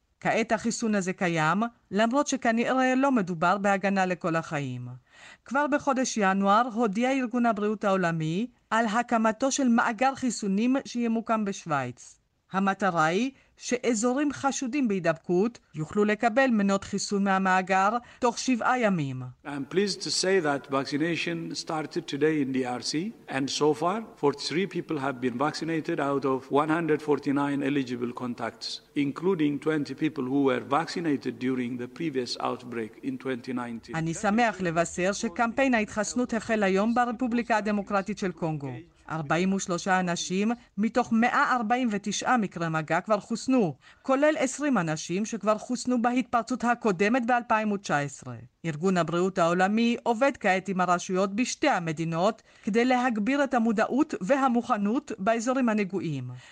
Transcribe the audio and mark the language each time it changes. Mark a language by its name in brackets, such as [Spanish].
[Hebrew] כעת החיסון הזה קיים, למרות שכנראה לא מדובר בהגנה לכל החיים. כבר בחודש ינואר הודיע ארגון הבריאות העולמי על הקמתו של מאגר חיסונים שימוקם בשוויץ. המטרה היא שאזורים חשודים בהידבקות יוכלו לקבל מנות חיסון מהמאגר תוך 7 ימים. [English] I'm pleased to say that vaccination started today in DRC and so far 43 people have been vaccinated out of 149 eligible contacts including 20 people who were vaccinated during the previous outbreak in 2019. [Hebrew] אני שמח לבשר שקמפיין ההתחסנות החל היום ברפובליקה הדמוקרטית של קונגו. 43 אנשים מתוך 149 מקרי מגע כבר חוסנו, כולל 20 אנשים שכבר חוסנו בהתפרצות הקודמת ב-2019. ארגון הבריאות העולמי עובד כעת עם הרשויות בשתי המדינות כדי להגביר את המודעות והמוכנות באזורים הנגועים.